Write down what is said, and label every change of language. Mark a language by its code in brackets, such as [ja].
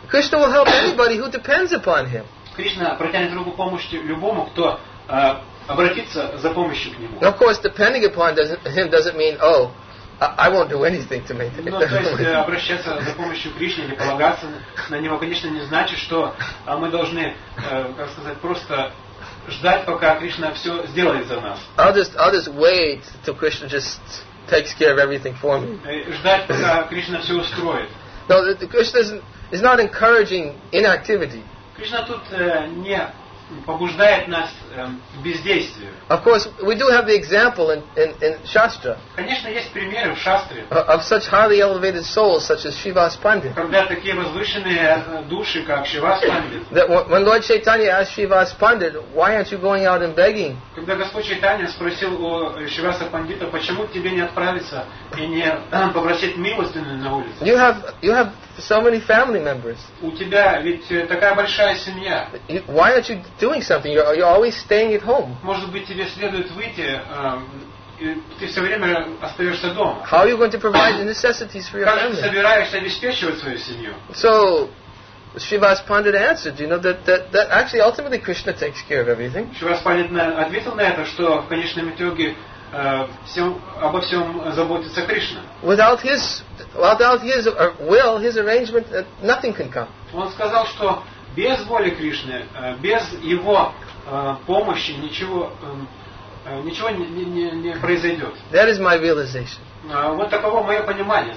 [en] Krishna will help anybody who depends upon him. [ru] Кришна протянет руку помощи любому, кто обратится за помощью к нему. [en] Of course, depending upon him doesn't mean, oh, I won't do anything to make it. [ru] Ну, то есть обращаться за помощью Кришне или полагаться на него, конечно, не значит, что мы должны, как сказать, просто ждать, пока Кришна все сделает за нас. [en] I'll just wait till Krishna just takes care of everything for me. [ru] Ждать, пока Кришна все устроит. [en] No, Krishna is not encouraging inactivity. [ru] Кришна тут не побуждает нас к бездействию. [en] Of course, we do have the example in Shastra. [ru] Конечно, есть примеры в Шастре. [en] Of such highly elevated souls, such as Shivas Pandit. [ru] Когда такие возвышенные души, как Шивас Пандит. [en] That when Lord Chaitanya asked Shivas Pandit, why aren't you going out and begging? [ru] Когда Господь Чайтанья спросил у Шиваса Пандита, почему тебе не отправиться и не попросить милостыню на улице? [en] You have so many family members. [ru] У тебя ведь такая большая семья. [en] Why aren't you doing something? You're always staying at home. [ru] Может быть, тебе следует выйти, ты все время остаешься дома. [en] How are you going to provide the necessities for your family? [ru] Как ты собираешься обеспечивать свою семью? [en] So, Shivas Pandit answered, you know, that actually ultimately Krishna takes care of everything. [ru] Shivas Pandit ответил на это, что в конечном итоге обо всем заботится Кришна. [en] Without his will, his arrangement, nothing can come. [ru] Он сказал, что без воли Кришны, без его помощи ничего не произойдет. [en] That is my realization. [ru] Вот таково мое понимание.